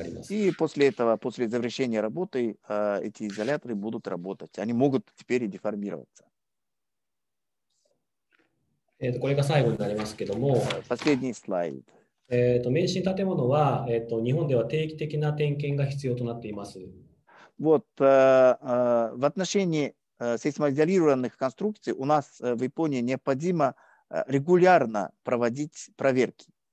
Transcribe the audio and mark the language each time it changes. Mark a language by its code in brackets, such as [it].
[ru] И после этого, после завершения работы, эти изоляторы будут работать. Они могут теперь деформироваться. [ja] これが最後になりますけども。 [ru] Последний слайд. [ja] 免震建物は、日本では定期的な点検が必要となっています。 [ru] Вот, в отношении сейсмоизолированных конструкций у нас в Японии необходимо регулярно проводить проверки.